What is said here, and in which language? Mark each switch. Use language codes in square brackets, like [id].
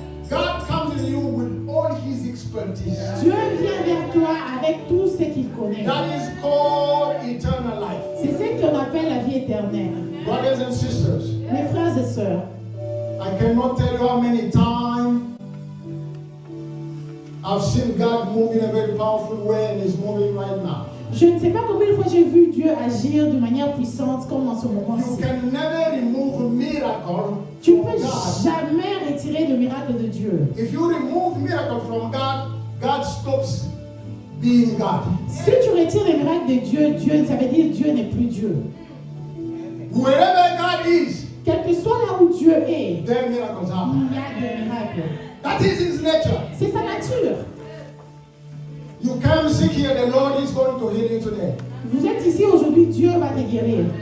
[en] God comes in you with all his expertise. [fr] Dieu vient vers toi avec tout ce qu'il connaît. [en] That is called eternal life. [fr] C'est ce qu'on appelle la vie éternelle. [en] Brothers and sisters. [fr] Mes frères et sœurs. [en] I cannot tell you how many times I've seen God move in a very powerful way, and He's moving right now. [fr] Je ne sais pas combien de fois j'ai vu Dieu agir de manière puissante comme en ce moment-ci. [en] You can never remove a miracle. [fr] Tu ne peux jamais retirer le miracle de Dieu. [en] If you remove miracle from God, God stops being God. [fr] Si tu retires le miracle de Dieu, Dieu, ça veut dire Dieu n'est plus Dieu. [en] Wherever God is, [fr] quel que soit là où Dieu est, [en] there are miracles happen. [fr] Il y a des miracles. [en] That is His nature. [fr] C'est sa nature. [en] You come sick here, the Lord is going to heal you today. [fr] Vous êtes ici aujourd'hui, Dieu va te guérir.